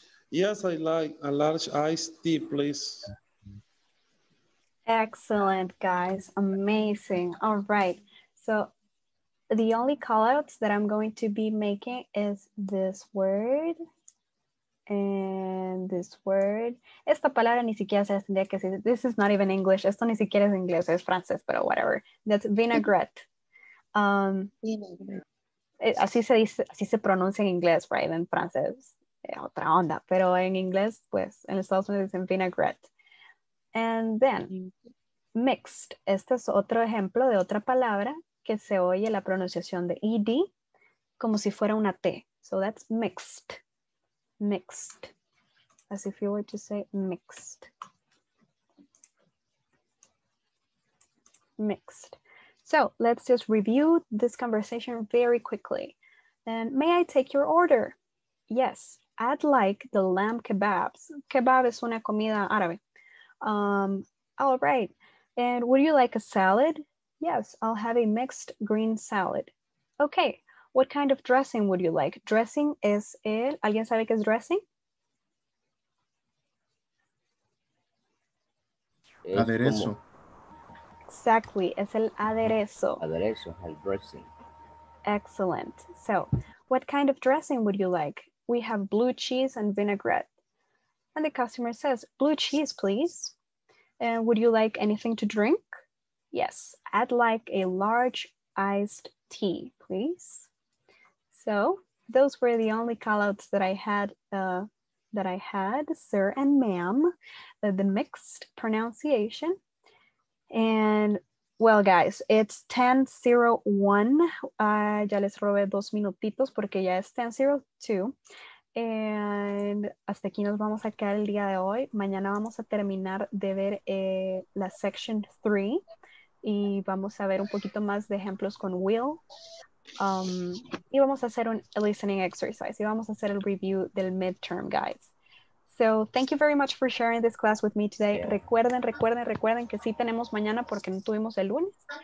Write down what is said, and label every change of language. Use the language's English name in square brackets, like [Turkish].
[English] Yes, I like a large iced tea, please. Excellent, guys. Amazing. All right. So the only call outs that I'm going to be making is this word and this word. [Spanish] Esta palabra ni siquiera se tendría que decir. [English] This is not even English. [Spanish] Esto ni siquiera es inglés, es francés, pero whatever. [English] That's vinaigrette. [Spanish] Así se pronuncia en inglés, right? En francés, otra onda. Pero en inglés, pues, en Estados Unidos dicen vinaigrette. [English] And then, mixed. [Spanish] Este es otro ejemplo de otra palabra que se oye la pronunciación de ED como si fuera una T. [English] So that's mixed. Mixed. As if you were to say mixed. Mixed. So let's just review this conversation very quickly. And may I take your order? Yes, I'd like the lamb kebabs. [Spanish] Kebab es una comida árabe. [English] All right. And would you like a salad? Yes, I'll have a mixed green salad. Okay, what kind of dressing would you like? [Spanish] Dressing es el, ¿alguien sabe qué es dressing? Aderezo. Exactly, es el aderezo. Aderezo, el dressing. [English] Excellent. So, what kind of dressing would you like? We have blue cheese and vinaigrette. And the customer says, blue cheese, please. And would you like anything to drink? Yes, I'd like a large iced tea, please. So those were the only callouts that I had, sir and ma'am, the mixed pronunciation. And Well, guys, it's 10:01. [Spanish] Ya les robé dos minutitos porque ya es 10:02. And hasta aquí nos vamos a quedar el día de hoy. Mañana vamos a terminar de ver la section 3 y vamos a ver un poquito más de ejemplos con will. Y vamos a hacer un listening exercise y vamos a hacer el review del midterm, guys. [English] So thank you very much for sharing this class with me today. Yeah. [Spanish] Recuerden que sí tenemos mañana porque no tuvimos el lunes.